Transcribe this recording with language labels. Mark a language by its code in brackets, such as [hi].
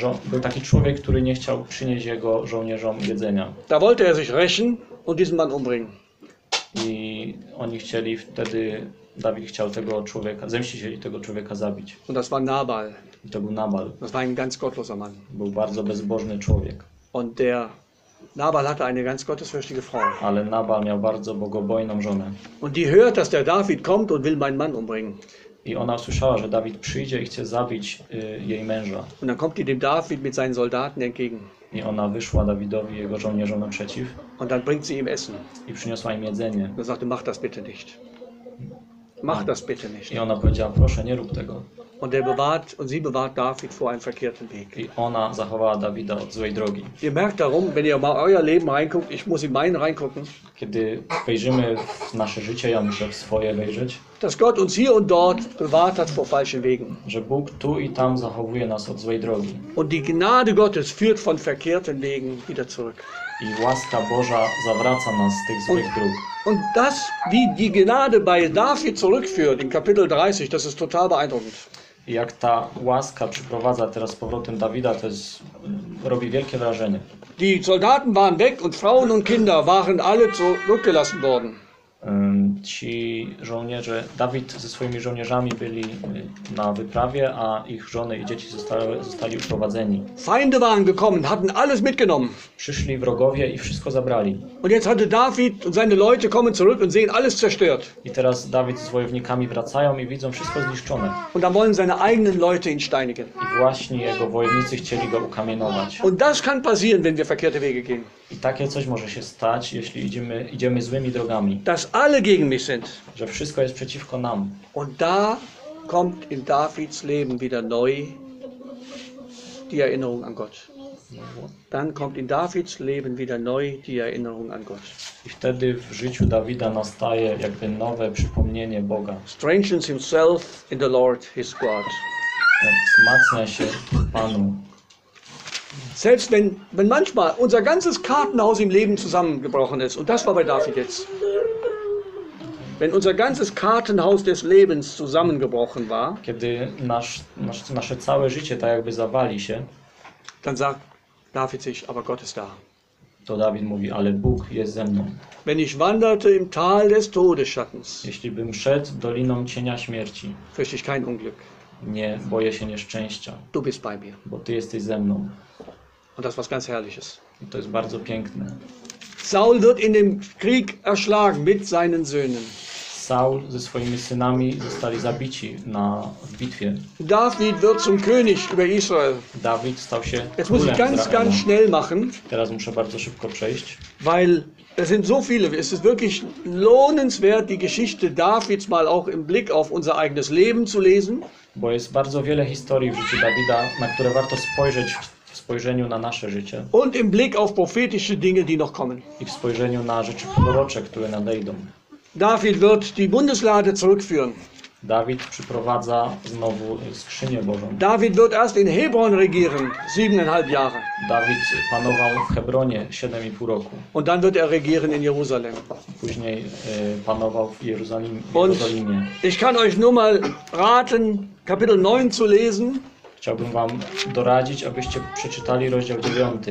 [pl] Był taki człowiek, który nie chciał przynieść jego żołnierzom jedzenia. [de] Da wollte er sich rächen und diesen Mann umbringen. [pl] I oni chcieli wtedy, David chciał tego człowieka, zemścić się i tego człowieka zabić. [de] Und das war Nabal. [pl] I to był Nabal. [de] Das war ein ganz gottloser Mann. [pl] Był bardzo bezbożny człowiek. [de] Und der Nabal hatte eine ganz gottesfürchtige Frau. [pl] Ale Nabal miał bardzo bogobojną żonę. [de] Und die hört, dass der David kommt und will meinen Mann umbringen. [pl] I ona usłyszała, że David przyjdzie i chce zabić jej męża. [de] Und dann kommt die dem David mit seinen Soldaten entgegen. [pl] I ona wyszła Dawidowi jego żołnierzom naprzeciw. [de] Und dann bringt sie ihm Essen. [pl] I przyniosła im jedzenie. [de] Und sagte, mach das bitte nicht. Mach das bitte nicht. [pl] I ona powiedziała, proszę, nie rób tego. [de] Und er bewahrt und sie bewahrt David vor einem verkehrten Weg. [pl] I ona zachowała Dawida od złej drogi. [de] Ihr merkt darum, wenn ihr mal euer Leben reinguckt, ich muss in mein reingucken. [pl] Kiedy wejrzymy w nasze życie, ja muszę w swoje wejrzeć. [de] Dass Gott uns hier und dort bewahrt hat vor falschen Wegen. [pl] Że Bóg tu i tam zachowuje nas od złej drogi. [de] Und die Gnade Gottes führt von verkehrten Wegen wieder zurück. [pl] I łaska Boża zawraca nas z tych złych dróg. [de] Und das, wie die Gnade bei David zurückführt in Kapitel 30, das ist total beeindruckend. [pl] Jak ta łaska przyprowadza teraz z powrotem Dawida, to jest, robi wielkie wrażenie. [de] Die Soldaten waren weg und Frauen und Kinder waren alle zurückgelassen worden. [pl] Ci żołnierze, Dawid ze swoimi żołnierzami byli na wyprawie, a ich żony i dzieci zostali uprowadzeni. [de] Feinde waren gekommen, hatten alles mitgenommen. [pl] Przyszli wrogowie i wszystko zabrali. [de] Und jetzt hatte David und seine Leute kommen zurück und sehen alles zerstört. [pl] I teraz Dawid z wojownikami wracają i widzą wszystko zniszczone. [de] Und dann wollen seine eigenen Leute ihn steinigen. [pl] I właśnie jego wojownicy chcieli go ukamienować. [de] Und das kann passieren, wenn wir verkehrte Wege gehen. [pl] I takie coś może się stać, jeśli idziemy złymi drogami. [de] Dass alle gegen mich sind. [pl] Że wszystko jest przeciwko nam. [de] Und da kommt in Davids Leben wieder neu die Erinnerung an Gott. Dann kommt in Davids Leben wieder neu die Erinnerung an Gott. [pl] I wtedy w życiu Dawida nastaje jakby nowe przypomnienie Boga. [en] Strengthens himself in the Lord his God. [pl] Wzmacnia się w Panu. [de] Selbst wenn manchmal unser ganzes Kartenhaus im Leben zusammengebrochen ist, und das war bei David jetzt, wenn unser ganzes Kartenhaus des Lebens zusammengebrochen war, [pl] kiedy nasze całe życie tak jakby zawali się, [de] dann sagt David sich, aber Gott ist da. [pl] To David mówi, ale Bóg jest ze mną. [de] Wenn ich wanderte im Tal des Todesschattens, [pl] jeśli bym szedł doliną cienia śmierci, [de] fürchte ich kein Unglück. [pl] Nie boję się nieszczęścia. [de] Du bist bei mir. [pl] Bo ty jesteś ze mną. [de] Und das was ganz herrliches. [pl] I to jest bardzo piękne. [de] Saul wird in dem Krieg erschlagen mit seinen Söhnen. [pl] Saul ze swoimi synami zostali zabici w bitwie. [de] David wird zum König über Israel. [pl] David stał się królem. [de] Jetzt muss ich ganz, ganz schnell machen. [pl] Teraz muszę bardzo szybko przejść. [de] Weil es sind so viele. Es ist wirklich lohnenswert, die Geschichte Davids mal auch im Blick auf unser eigenes Leben zu lesen. [pl] Bo jest bardzo wiele historii w życiu Dawida, na które warto spojrzeć w spojrzeniu na nasze życie. [de] Und im Blick auf prophetische Dinge, die noch kommen. [pl] I w spojrzeniu na rzeczy prorocze, które nadejdą. [de] David wird die Bundeslade zurückführen. [pl] David przyprowadza znowu skrzynię Bożą. [de] David wird erst in Hebron regieren, 7,5 Jahre. [pl] David panował w Hebronie 7,5 roku. [de] Und dann wird er regieren in Jerusalem. [pl] Później panował w Jerozolimie. [de] Und ich kann euch nur mal raten, Kapitel 9 zu lesen. [pl] Chciałbym wam doradzić, abyście przeczytali rozdział 9.